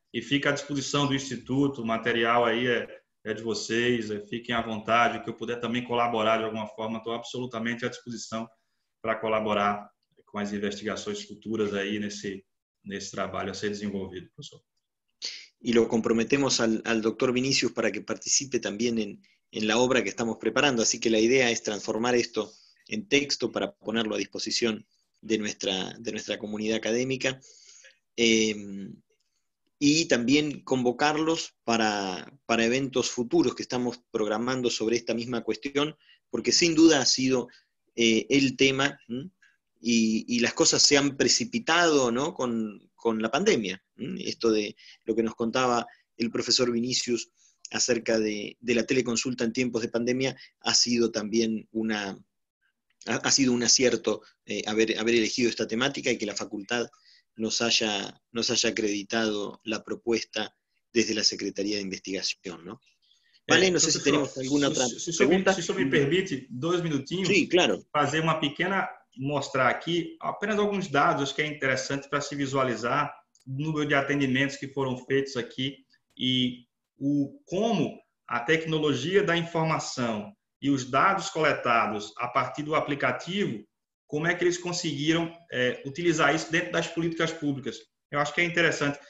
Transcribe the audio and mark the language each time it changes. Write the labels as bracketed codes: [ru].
[pt] E fica à disposição do Instituto, o material aí é de vocês, fiquem à vontade, que eu puder também colaborar de alguma forma, estou absolutamente à disposição para colaborar com as investigações futuras aí nesse trabalho a ser desenvolvido, professor. [es] E lo comprometemos al doctor Vinicius para que participe también en la obra que estamos preparando, así que la idea es transformar esto en texto para ponerlo a disposición de nuestra comunidad académica. Y también convocarlos para eventos futuros que estamos programando sobre esta misma cuestión, porque sin duda ha sido el tema y las cosas se han precipitado, ¿no?, con la pandemia. Esto de lo que nos contaba el profesor Vinicius acerca de la teleconsulta en tiempos de pandemia ha sido también ha sido un acierto haber elegido esta temática y que la facultad nos haya acreditado la propuesta desde la Secretaría de Investigación, ¿no? Vale, no sé si tenemos alguna otra pregunta. Si eso me permite, dos minutinhos. Sí, claro. [pt] Fazer uma pequena, mostrar aqui apenas alguns dados que é interessante para se visualizar o número de atendimentos que foram feitos aqui e como a tecnologia da informação e os dados coletados a partir do aplicativo, como é que eles conseguiram utilizar isso dentro das políticas públicas. Eu acho que é interessante.